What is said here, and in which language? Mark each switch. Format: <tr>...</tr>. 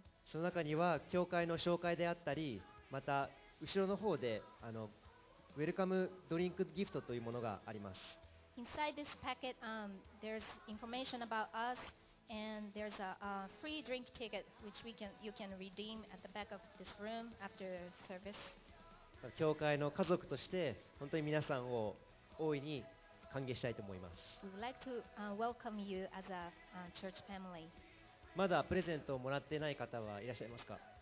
<ja>その中には教会の紹介であったり、また後ろの方でウェルカムドリンクギフトというものがあります。</ja> <en>Inside this packet, there's information about us, and there's a free drink ticket which you can redeem at the back of this room after service.</en> <ja>教会の家族として本当に皆さんを大いに歓迎したいと思います。</ja> <en>We would like to welcome you as a church family.</en> <ja>まだプレゼントをもらってない方はいらっしゃいますか？</ja>